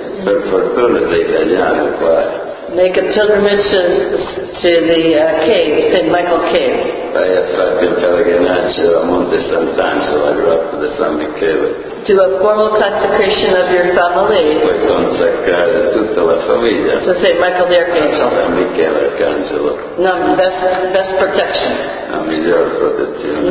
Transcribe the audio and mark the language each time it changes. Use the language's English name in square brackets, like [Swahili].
[Italian] Per fortuna sei italiano qua. [English] Make a pilgrimage to the cave, St. Michael Cave. [Italian] Vai a fare il pellegrinaggio a Monte Sant'Angelo, la grotta di San Michele. [English] Do a formal consecration of your family. [Italian] Puoi consacrare tutta la famiglia. [English] To St. Michael the Archangel. [Italian] San Michele Arcangelo. [English] No, best protection. [Italian] La migliore protezione.